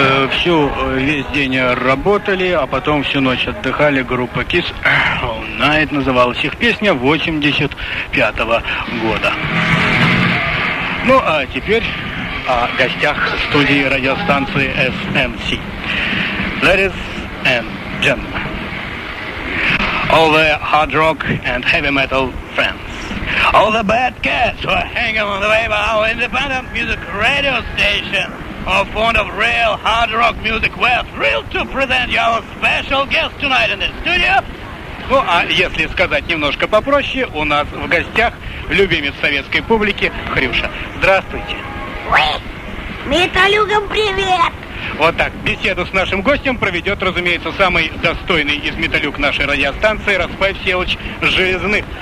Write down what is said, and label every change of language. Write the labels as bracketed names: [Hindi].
[Russian] всю весь день работали, а потом всю ночь отдыхали. Группа Kiss All Night называлась их песня 85-го года. Ну, а теперь о гостях студии радиостанции SNC. [English] Ladies and gentlemen, all the hard rock and heavy metal fans, all the bad cats who are hanging on the way by our independent music radio station, or fond of real hard rock music, we're thrilled to present you our special guest tonight in the studio. [Russian] Ну, а если сказать немножко попроще, у нас в гостях любимец советской публики Хрюша. Здравствуйте. Ой, металюгам привет. Вот так, беседу с нашим гостем проведет, разумеется, самый достойный из металюк нашей радиостанции Распай Всеволодович Железных.